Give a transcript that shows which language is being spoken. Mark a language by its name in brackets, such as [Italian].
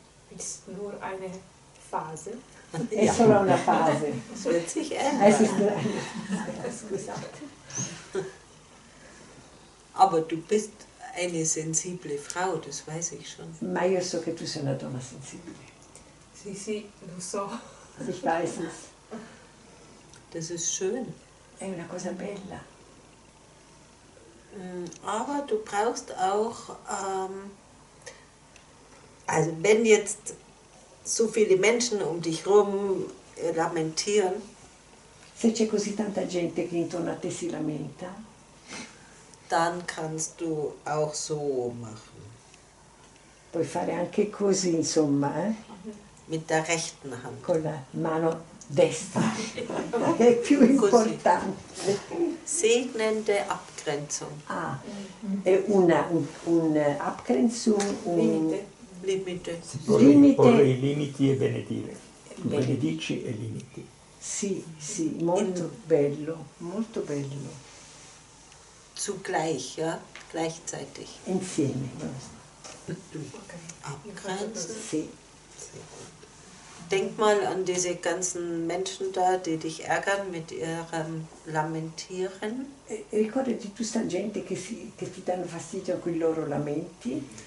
[German] Ist nur eine Phase. [Italian] È solo una fase. [German] Es ist nur eine Phase. Aber du bist eine sensible Frau, das weiß ich schon. [Italian] Ma io so che tu sei una donna sensibile. Sì, lo so. [German] Ich weiß es. Das ist schön. [Italian] È una cosa bella. [German] Aber du brauchst auch, also wenn jetzt so viele Menschen um dich rum lamentieren, [Italian] se c'è così tanta gente che intorno a te si lamenta, [German] dann kannst du auch so machen. [Italian] Puoi fare anche così, insomma, [German] Mit der rechten Hand. [Italian] Con la mano destra. È più importante. [German] Segnende Abgrenzung. [Italian] Ah, è una Abgrenzung, limite. Limite. I limiti e benedire. Benedici e limiti. Sì, sì, molto bello, molto bello. [German] Zugleich, ja, gleichzeitig. [Italian] Insieme. [German] Abgrenzen. [Italian] Sì. [German] Denk mal an diese ganzen Menschen da, die dich ärgern mit ihrem Lamentieren. [Italian] Ricordati tutta gente che ti danno fastidio con i loro lamenti.